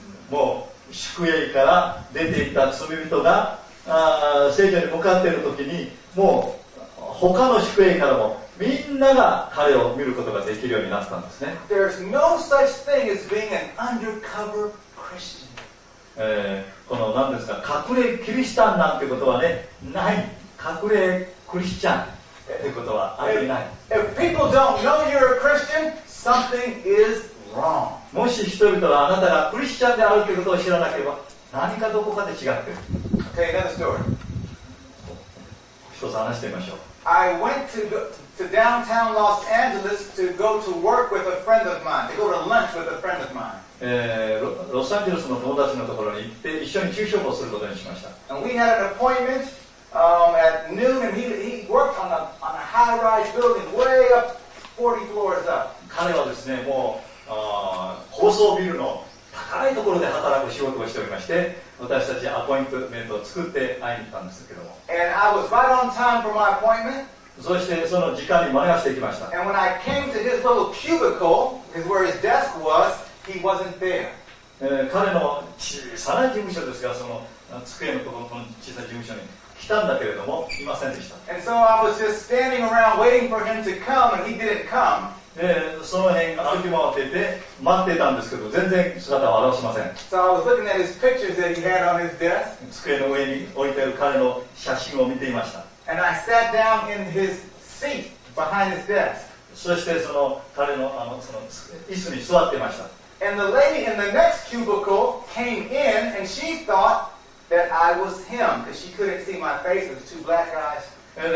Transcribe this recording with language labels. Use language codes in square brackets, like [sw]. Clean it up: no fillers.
[ja] もう宿営から出ていった罪人が聖所に向かっているときに、もう他の宿営からもみんなが彼を見ることができるようになったんですね。 [en] There's no such thing as being an undercover Christian. [ja] この何ですか、隠れキリシタンなんてことはね、ない。隠れクリスチャンってことはありない。 [en] If people don't know you're a Christian, something is wrong. [ja] もし人々があなたがクリスチャンであるということを知らなければ、何かどこかで違ってる。 [en] Okay, another story. [ja] 一つ話してみましょう。 [en] I went to downtown Los Angeles to go to work with a friend of mine, to go to lunch with a friend of mine. [ja] ロサンゼルスの友達のところに行って一緒に昼食をすることにしました。 [en] And we had an appointment, at noon, and he worked on a high-rise building way up 40 floors up. [ja] 彼はですね、もう高層ビルの高いところで働く仕事をしておりまして、私たちアポイントメントを作って会いに行ったんですけども。 [en] And I was right on time for my appointment. [ja] そしてその時間に間に合わせてきました。 [en] And when I came to his little cubicle, where his desk was,He wasn't there. [ja] 彼の小さな事務所ですが、その机のところの小さな事務所に来たんだけれども、いませんでした。 [en] And so I was just standing around waiting for him to come, and he didn't come. [ja] その辺歩き回ってて、待ってたんですけど、全然姿を現しません。 [en] So I was looking at his pictures that he had on his desk. [ja] 机の上に置いてる彼の写真を見ていました。 [en] And I sat down in his seat behind his desk. [ja] そしてその彼の、その椅子に座っていました。 [en] And the lady in the next cubicle came in, and she thought that I was him, because she couldn't see my face, it was two black eyes, and